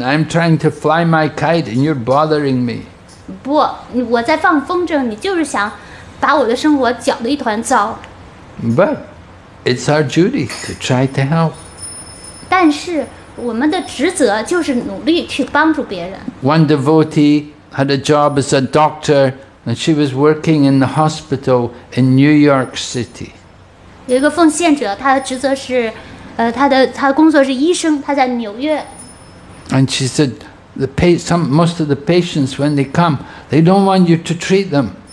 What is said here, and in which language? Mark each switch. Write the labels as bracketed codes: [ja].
[en] I'm trying to fly my kite, and you're bothering me. [zh] 不，我在放风筝，你就是想把我的生活搅得一团糟。But [en] it's our duty to try to help. [zh] 但是我们的职责就是努力去帮助别人。One [en] devotee had a job as a doctor. And she was working in the hospital in New York City. [zh] 有一个奉献者，他的职责是，他的工作是医生，他在纽约。 [en] And she said, most of the patients when they come, they don't want you to treat them.